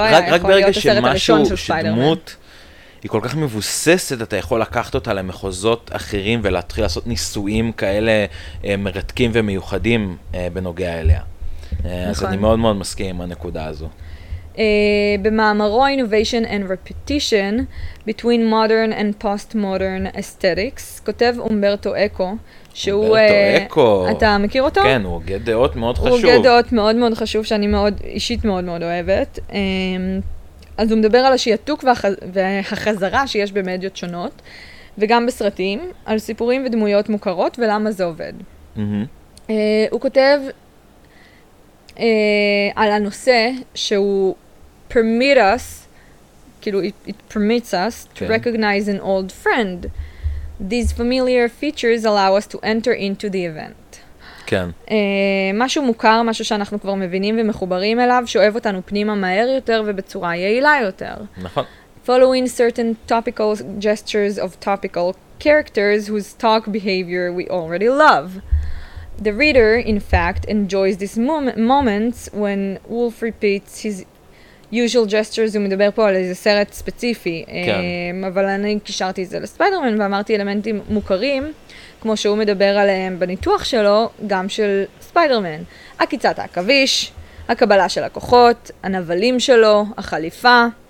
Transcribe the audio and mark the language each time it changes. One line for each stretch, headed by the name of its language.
Hebrew: רק ברגע שמשהו, שדמות היא כל כך מבוססת, אתה יכול לקחת אותה למחוזות אחרים ולהתחיל לעשות ניסויים כאלה מרתקים ומיוחדים בנוגע אליה. אז אני מאוד מאוד מסכים עם הנקודה הזו. במאמרו Innovation and Repetition Between Modern and Postmodern Aesthetics, כותב אומברטו אקו, שהוא... אתה מכיר אותו? כן, הוא הוגה דעות מאוד חשוב. הוא הוגה דעות מאוד מאוד חשוב, שאני מאוד, אישית מאוד מאוד אוהבת. אז הוא מדבר על השיתוק והחזרה שיש במדיות שונות, וגם בסרטים, על סיפורים ודמויות מוכרות, ולמה זה עובד. הוא כותב...
English: על הנושא שהוא permit us, כאילו it permits us to recognize an old friend. These familiar features allow us to enter into the event.
Hebrew: כן. משהו מוכר, משהו שאנחנו כבר מבינים ומחוברים אליו, שאוהב אותנו פנימה מהר יותר ובצורה יעילה יותר. נכון.
English: Following certain topical gestures of topical characters whose talk behavior we already love. The reader, in fact, enjoys this moment when Wolf repeats his usual gestures.
Hebrew: הוא מדבר פה על איזה סרט ספציפי. כן. אבל אני קישרתי את זה לספיידרמן ואמרתי אלמנטים מוכרים, כמו שהוא מדבר עליהם בניתוח שלו, גם של ספיידרמן. הקיצת העכביש, הקבלה של הכוחות, הנבלים שלו, החליפה.